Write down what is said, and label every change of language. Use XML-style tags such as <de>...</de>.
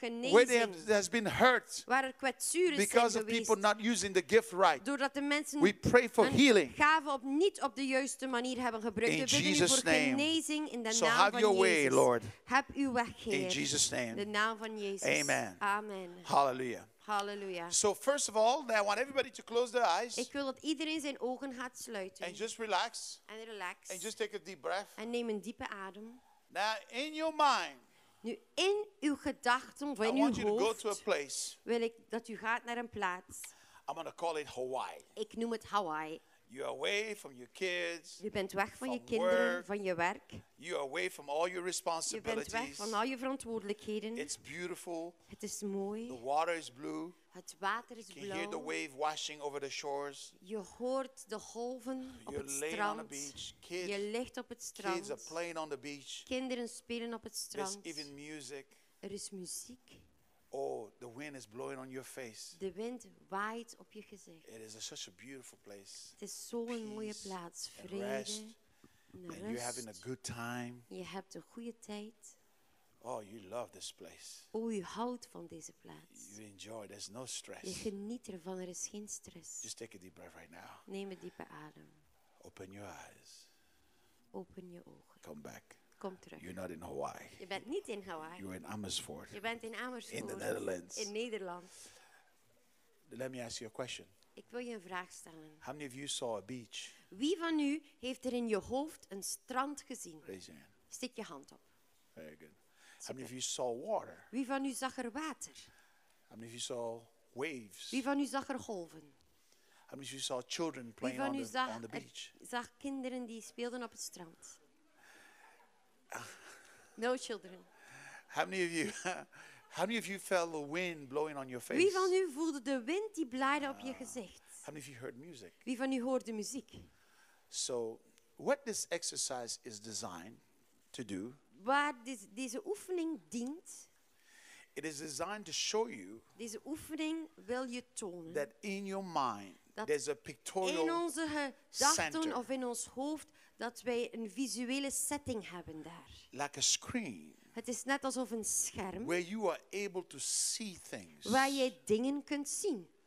<en>Where there has been hurt because of people not using the gift right.</en> <nl>Doordat de mensen</nl> <en>we pray for healing.</en> <nl>Gave op niet op de juiste manier hebben gebruikt.</nl> <en>In Jesus' name. So have your way, Lord.</en> <nl>Heb uw weg, Heer.</nl> <en>In Jesus' name.</en> <nl>De naam van Jezus. Amen. Amen. Hallelujah. Hallelujah.</nl> <en>So first of all, I want everybody to close their eyes.</en> <nl>Ik wil dat iedereen zijn ogen gaat sluiten.</nl> <en>And just relax. And relax. And just take a deep breath.</en> <nl>En neem een diepe adem.</nl> <en>Now in your mind.</en> <nl>Nu in uw gedachten, of in uw hoofd.</nl> <en>I want you to go to a place.</en> <nl>Wil ik dat u gaat naar een plaats.</nl> <en>I'm gonna call it Hawaii.</en> <nl>Ik noem het Hawaii.</nl> <en>You're away from your kids.</en> <nl>Je bent weg van je kinderen, van je werk.</nl> <en>You're away from all your responsibilities.</en> <nl>Je bent weg van al je verantwoordelijkheden.</nl> <en>It's beautiful.</en> <nl>Het is mooi.</nl> <en>The water is blue.</en> <nl>Het water is blauw.</nl> <en>You can hear the wave washing over the shores.</en> <nl>Je hoort de golven op het strand.</nl> <en>You're laying on the beach. Kids,</en> <nl>je ligt op het strand.</nl> <en>Kids are playing on the beach.</en> <nl>Kinderen spelen op het strand.</nl> <en>There's even music.</en> <nl>Er is muziek.</nl> <en>Oh, the wind is blowing on your face.</en> <nl>De wind waait op je gezicht.</nl> <en>It is such a beautiful place.</en> <nl>Het is zo'n mooie plaats. Vrede.</nl> <en>And rest. And you're having a good time.</en> <nl>Je hebt een goede tijd.</nl> <en>Oh, you love this place.</en> <nl>Oh, je houdt van deze plaats.</nl> <en>You enjoy. There's no stress.</en> <nl>Je geniet ervan. Er is geen stress.</nl> <en>Just take a deep breath right now.</en> <nl>Neem een diepe adem.</nl> <en>Open your eyes.</en> <nl>Open je ogen.</nl> <en>Come back.</en> <nl>Kom terug.</nl> <en>You're not in Hawaii.</en> <nl>Je bent niet in Hawaii.</nl> <en>You're in Amersfoort.</en> <nl>Je bent in Amersfoort.</nl> <en>In the Netherlands.</en> <nl>In Nederland.</nl> <en>Let me ask you a question.</en> <nl>Ik wil je een vraag stellen.</nl> <en>How many of you saw a beach?</en> <nl>Wie van u heeft er in je hoofd een strand gezien?</nl> <en>Raise your hand.</en> <nl>Steek je hand op.</nl> <en>Very good. How many of you saw water?</en> <nl>Wie van u zag er water?</nl> <en>How many of you saw waves?</en> <nl>Wie van u zag er golven?</nl> <en>How many of you saw children playing on the beach?</en> <nl>Wie van u zag kinderen die speelden op het strand?</nl> <en>No children. How many of you felt the wind blowing on your face?</en> <nl>Wie van u voelde de wind die blaaide op je gezicht?</nl> <en>How many of you heard music?</en> <nl>Wie van u hoorde muziek?</nl> <en>So, what this exercise is designed to do?</en> <nl>Waar deze oefening dient?</nl> <en>It is designed to show you.</en> <nl>Deze oefening wil je tonen.</nl> <en>That in your mind there's a pictorial center.</en> <nl>In onze gedachten of in ons hoofd. Dat wij een visuele setting hebben daar.</nl> <en>Like a screen.</en> <nl>Het is net alsof een scherm.</nl> <en>Where you are able to see things.</en> <nl>Waar je dingen kunt zien.</nl>